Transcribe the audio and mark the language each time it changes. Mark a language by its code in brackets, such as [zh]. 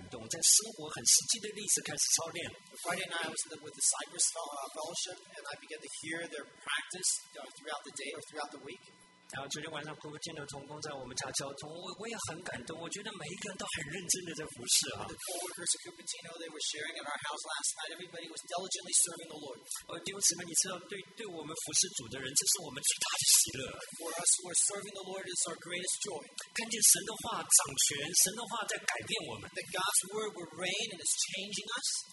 [zh] 我礼拜五晚上在Cypress今天他们分享，我都很感动，在生活很实际的例子开始操练。 [en] Friday night I was with the Cypress Fellowship and I began to hear their practice throughout the day or throughout the week. [zh] 然后昨天晚上Cupertino同工在我们家交通，我也很感动。我觉得每一个人都很认真的在服侍啊。The [en] coworkers at Cupertino, they were sharing at our house last night. Everybody was diligently serving the Lord. [zh] 弟兄姊妹，你知道，对我们服侍主的人，这是我们最大的喜乐。For [en] us, we're serving the Lord is our greatest joy. [zh] 看见神的话掌权，神的话在改变我们。That [en] God's word will reign and is changing us.